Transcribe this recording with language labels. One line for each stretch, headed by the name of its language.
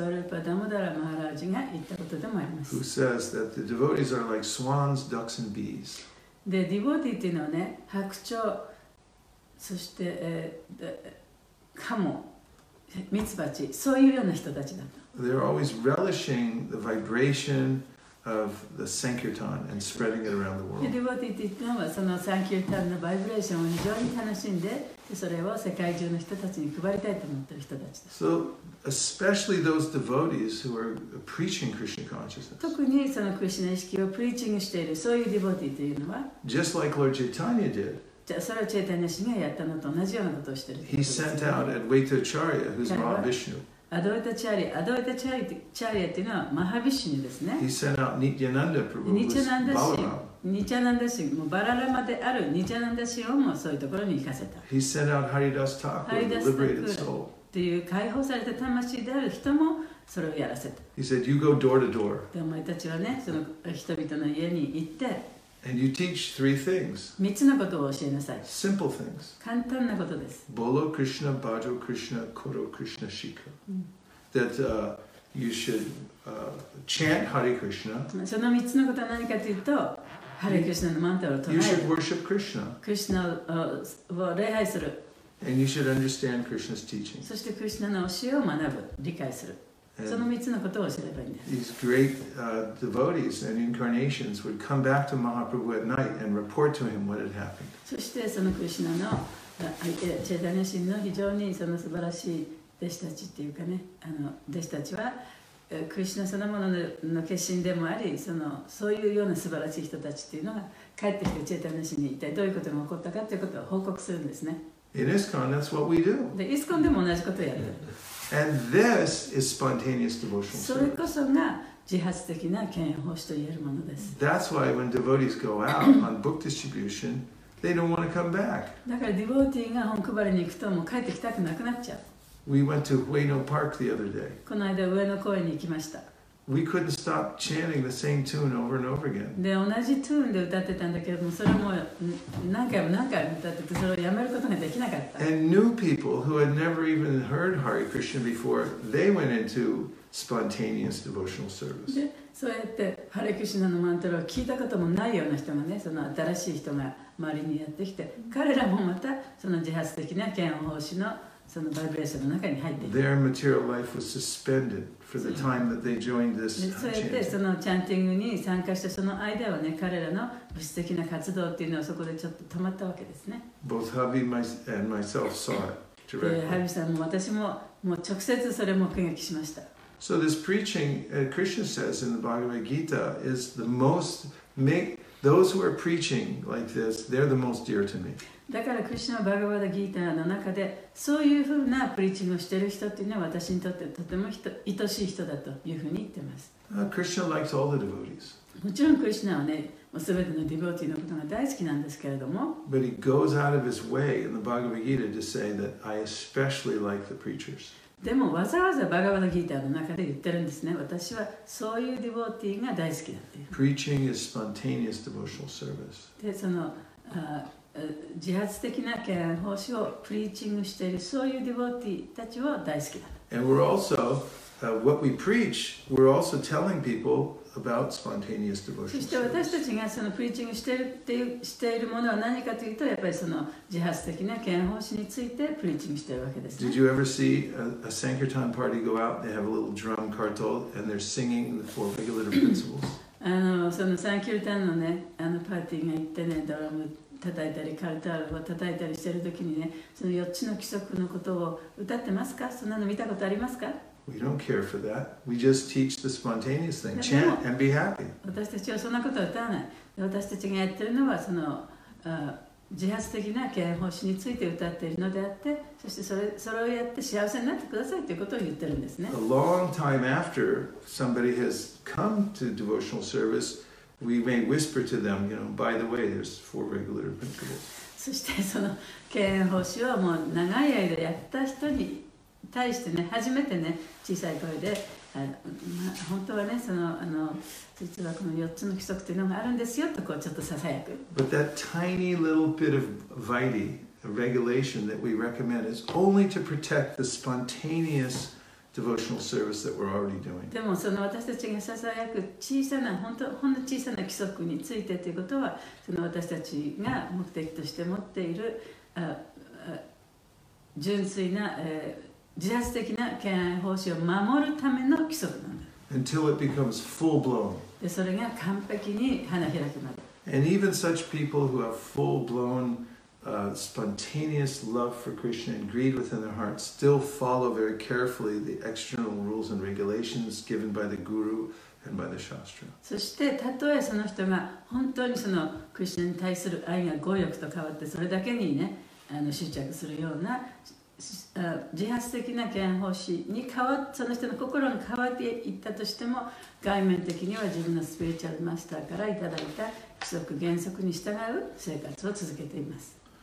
English: Who says that the devotees are like swans, ducks, and bees? The devotee
Japanese: というのはね、白鳥、そして、カモ、ミツバチ、そういうような人たちだと。
English: They're always relishing the vibration of the Sankirtan and spreading it around the world. The
Japanese: devotee というのはそのサンキルタンのバイブレーションを非常に楽しんで、それを世界中の人たちに配りたいと思っている人たちです。
English: So, especially those devotees who are preaching Krishna consciousness.
Japanese: 特にそのクリシナ意識をプリーチングしているそういうディボティというのは、
English: just like Lord Chaitanya did.
Japanese: じゃあそれをチェイタニア氏がやったのと同じようなことをしている。
English: He sent out Advaitacharya, who's Mahavishnu.
Japanese: Advaitacharya というのはマハビシュヌですね。
English: He sent out Nityananda Prabhu, who's Balaram.
Japanese: ニチャナンダ氏、もうバララマであるニチャナンダ氏をもそういうところに行かせた。
English: He sent out Haridas Thakur, the liberated soul.
Japanese: という解放された魂である人もそれをやらせた。
English: He said, you go door to door.
Japanese: で、お前たちはね、その人々の家に行って、
English: And you teach three things.
Japanese: 三つのことを教えなさい。
English: Simple things.
Japanese: 簡単なことです。
Bangla: Bolo Krishna, Bajo Krishna, Koro Krishna, Shika.
English: That, you should, chant Hare Krishna.
Japanese: その三つのことは何かというと、ハレクリシナのマントラを唱える。
English: You should worship Krishna.
Japanese: クリシナを礼拝する。
English: And you should understand Krishna's teaching.
Japanese: そしてクリシナの教えを学ぶ、理解する。その3つのことを知ればいいんです。
English: These great devotees and incarnations would come back to Mahaprabhu at night and report to him what had happened.
Japanese: そしてそのクリシナのチェタニア神の非常にその素晴らしい弟子たちっていうかね、弟子たちは、クリシナそのものの化身でもあり、そういうような素晴らしい人たちっていうのが帰ってきてチェタニア氏に一体どういうことが起こったかということを報告するんですね。
English: In ISKCON, that's what we do.
Japanese: で、イスコンでも同じことをやる。
English: And this is spontaneous devotional service.
Japanese: それこそが自発的な敬遠奉仕と言えるものです。
English: That's why when devotees go out on book distribution, they don't want to come back.
Japanese: だからディボーティーが本配りに行くともう帰ってきたくなくなっちゃう。
English: We went to Ueno Park the other day.
Japanese: この間上野公園に行きました。
English: we couldn't stop chanting the same tune over and over again.
Japanese: で、同じトゥーンで歌ってたんだけども、それも何回も何回歌ってて、それをやめることができなかった。
English: And new people who had never even heard Hare Krishna before, they went into spontaneous devotional service.
Japanese: で、そうやってハレクシナのマントラを聞いたこともないような人がね、その新しい人が周りにやってきて、彼らもまたその自発的な嫌悪奉仕のそのバイブレーションの中に入ってい
English: く。Their material life was suspended. For the time that they joined this chanting.
Japanese: そうやってそのチャンティングに参加したその間はね、彼らの物質的な活動っていうのはそこでちょっと止まったわけですね。
English: Both Habi and myself saw it directly.
Japanese: Habi さんも私ももう直接それを目撃しました。
English: So this preaching, Krishna says in the Bhagavad Gita, is the most make those who are preaching like this, they're the most dear to me.
Japanese: だからクリシュナはバガヴァダギーターの中でそういうふうなプリーチングをしている人っていうのは私にとってとても愛しい人だというふうに言ってます。
English: クリシュナ likes all the devotees.
Japanese: もちろんクリシュナはね、もう全てのディボーティーのことが大好きなんですけれども、
English: But he goes out of his way in the Bhagavad Gita to say that I especially like the preachers.
Japanese: でもわざわざバガヴァダギーターの中で言ってるんですね。私はそういうディボーティーが大好きだっていう。
English: Preaching is spontaneous devotional service.
Japanese: で、その自発的な嫌悪奉仕をプリーチングしているそういうディボーティーたちを大好きだ。
English: And we're also, what we preach, we're also telling people about spontaneous devotion.
Japanese: そして私たちがそのプリーチングしているっていうしているものは何かというと、やっぱりその自発的な嫌悪奉仕についてプリーチングしているわけですね。
English: Did you ever see a Sankirtan party go out? They have a little drum kartal and they're singing the four regulative principles.
Japanese: あのそのサンキルタンのね、あのパーティーが行ってね、ドラム叩いたりカルタールを叩いたりしている時にね、その4つの規則のことを歌ってますか？そんなの見たことありますか？
English: We don't care for that. We just teach the spontaneous thing. Chant and be happy.
Japanese: 私たちはそんなことは歌わない。私たちがやってるのはその自発的な嫌悪奉仕について歌っているのであって、そしてそれをやって幸せになってくださいということを言ってるんですね。
English: A long time after somebody has come to devotional service,We may whisper to them, you know, by the way, there's four regular principles.
Japanese: そしてその敬遠奉仕をもう長い間やった人に対してね、初めてね、小さい声で、本当はね、その実はこの4つの規則というのがあるんですよとこうちょっとささやく。
English: But that tiny little bit of vaidhi, a regulation that we recommend is only to protect the spontaneous. Devotional service that we're already doing.
Japanese: でもその私たちがささやく小さな本当ほんの小さな規則についてということは、その私たちが目的として持っている純粋な自発的な敬愛奉仕を守るための規則なんだ。
English: Until it becomes full blown.
Japanese: でそれが完璧に花開くまで。
English: And even such people who have full blown spontaneous love for Krishna and greed within their heart still follow very carefully the external rules and regulations given by the guru and by the shastra.
Japanese: そしてたとえその人が本当にそのクリシナに対する愛が強欲と変わってそれだけにね、執着するような自発的な嫌悪奉仕に変わって、その人の心が変わっていったとしても、外面的には自分のスピリチュアルマスターからいただいた規則原則に従う生活を続けています。